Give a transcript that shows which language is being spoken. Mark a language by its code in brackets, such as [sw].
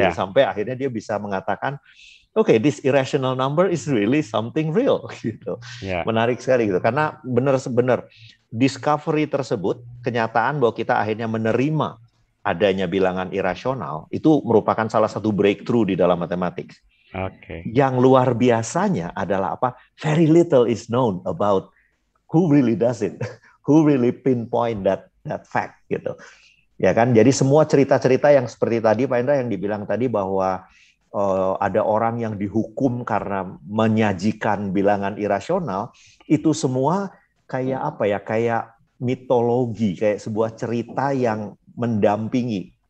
[en] Yeah. [id] Sampai akhirnya dia bisa mengatakan, [en] okay, this irrational number is really something real. Gitu. Yeah. [id] Menarik sekali gitu. Karena benar-benar, discovery tersebut, kenyataan bahwa kita akhirnya menerima adanya bilangan irasional, itu merupakan salah satu breakthrough di dalam matematik. [en] Okay. [id] Yang luar biasanya adalah apa? [en] Very little is known about who really does it, who really pinpoint that fact, gitu. [id] Ya kan? Jadi semua cerita-cerita yang seperti tadi, Pak Indra, yang dibilang tadi bahwa ada orang yang dihukum karena menyajikan bilangan irasional, itu semua kayak apa ya, kayak mitologi, kayak sebuah cerita yang mendampingi.